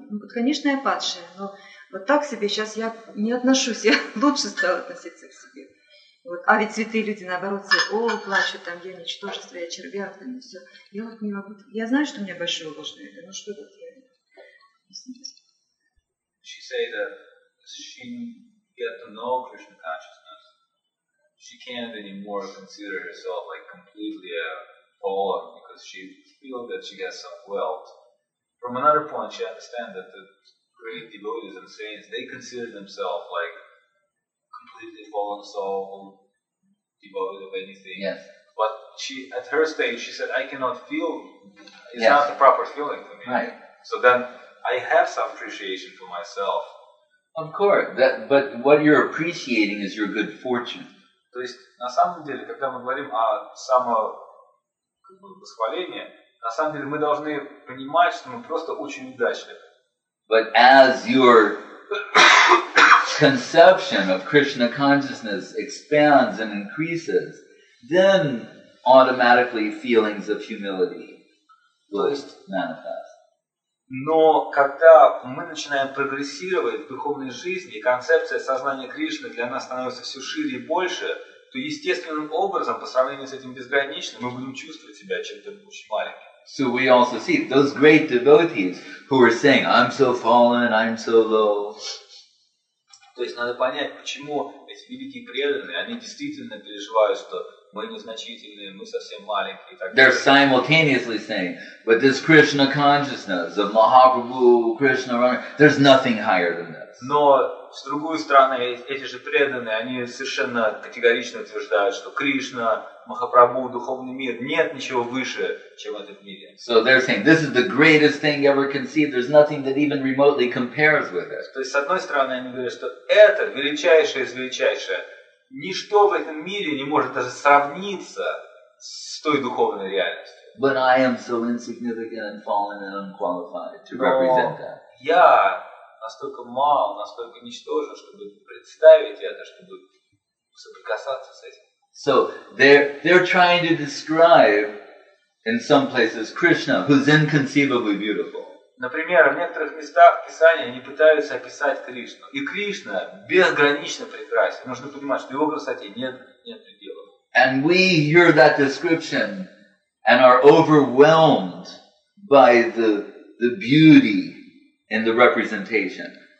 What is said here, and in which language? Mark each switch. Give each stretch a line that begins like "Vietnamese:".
Russian: Ну, вот, конечно, я падшая, но вот так себе сейчас я не отношусь, я лучше стала относиться к себе. Вот. А ведь святые люди, наоборот, все, о, плачут, там, я ничтожество, я червяк, там, и все. Я вот не могу. Я знаю, что у меня большое ложное эго, но что это?
English: She said that she get to know Krishna consciousness. She can't anymore consider herself like completely a fallen because she feels that she gets some wealth. From another point, she understands that the great devotees and saints, they consider themselves like completely fallen soul, devoid of anything. Yes. But she, at her stage, she said, I cannot feel, it's yes. not the proper feeling for me. Right. So then, I have some appreciation for myself. Of course, that, but what you're appreciating is your good fortune.
Russian: То есть, на самом деле, когда мы говорим о самовосхвалении, на самом деле мы должны понимать, что мы просто очень удачливы.
English: But as your conception of Krishna consciousness expands and increases, then automatically feelings of humility will manifest.
Russian: Но когда мы начинаем прогрессировать в духовной жизни, и концепция сознания Кришны для нас становится все шире и больше, то естественным образом, по сравнению с этим безграничным, мы будем чувствовать себя чем-то очень маленьким.
English: So we also see those great devotees who are saying, I'm so fallen, I'm so low.
Russian: То есть надо понять, почему эти великие преданные, они действительно переживают, что мы незначительные, мы совсем маленькие.
English: They're simultaneously saying, but this Krishna consciousness of Mahaprabhu, Krishna, there's nothing higher than this.
Russian: Но с другой стороны, эти же преданные, они совершенно категорично утверждают, что Кришна, Махапрабху, духовный мир, нет ничего выше, чем этот мир.
English: So they're saying, this is the greatest thing ever conceived. There's nothing that even remotely compares with it.
Russian: То есть с одной стороны, они говорят, что это величайшее из величайшего. Ничто в этом мире не может даже сравниться с той духовной реальностью.
English: But I am so insignificant and fallen and unqualified to represent that.
Russian: Я настолько мал, настолько ничтожен, чтобы представить это, чтобы соприкасаться с этим.
English: So they're trying to describe in some places Krishna, who's inconceivably beautiful.
Russian: Например, в некоторых местах Писания они пытаются описать Кришну. И Кришна безгранично прекрасен. Нужно понимать, что его красоте нет предела.
English: And we hear that description and are overwhelmed by the beauty in the representation.